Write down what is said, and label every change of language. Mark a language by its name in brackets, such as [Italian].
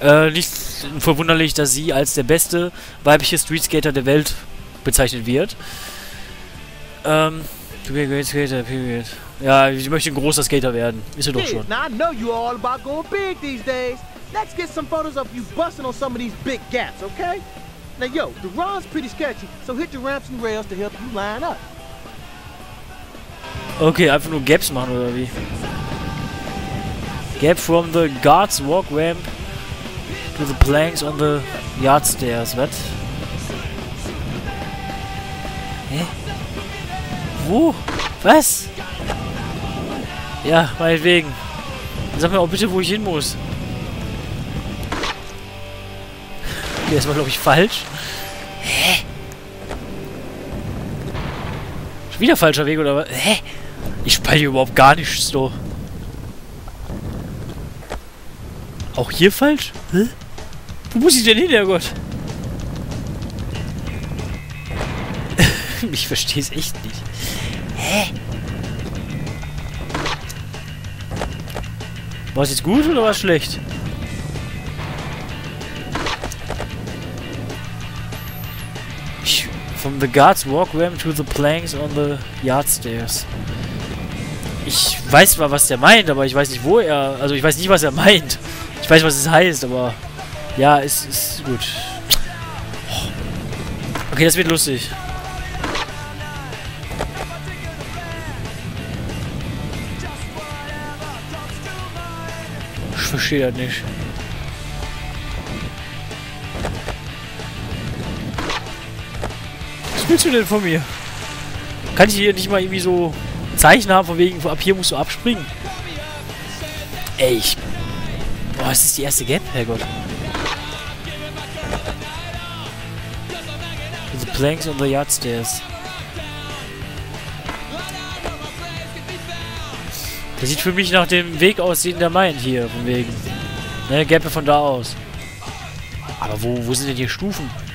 [German] Nicht verwunderlich, dass sie als der beste weibliche Street Skater der Welt bezeichnet wird. Ja, ich möchte ein großer Skater werden. Ist er doch schon. [English] Now I know you all about going big these days. Let's get some photos of you busting on some of these big gaps, okay? Now yo, the run's pretty sketchy, so hit the ramps and rails to help you line up. [German] Okay, einfach nur Gaps machen oder wie? [English] Gap from the guards walk ramp to the planks on the yard stairs, what? [German] Wo? Was? Ja, meinetwegen. Sag mir auch bitte, wo ich hin muss. Okay, das war, glaube ich, falsch. Hä? Schon wieder falscher Weg, oder was? Hä? Ich speichere überhaupt gar nichts, so. Auch hier falsch? Hä? Wo muss ich denn hin, Herrgott? Ich verstehe es echt nicht. Hä? War es jetzt gut oder war es schlecht? [English] From the guards walk ramp to the planks on the yard stairs. [German] Ich weiß zwar, was der meint, aber ich weiß nicht, wo er. Also, ich weiß nicht, was er meint. Ich weiß, was es heißt, aber. Ja, es ist gut. Okay, das wird lustig. Ich verstehe das nicht. Was willst du denn von mir? Kann ich hier nicht mal irgendwie so Zeichen haben, von wegen, ab hier musst du abspringen? Ey, ich... Boah, ist das die erste Gap? Herrgott. [English] The planks on the yard stairs. [German] Der sieht für mich nach dem Weg aus, den der meint hier, von wegen. Ne, gäbe von da aus. Aber wo sind denn hier Stufen?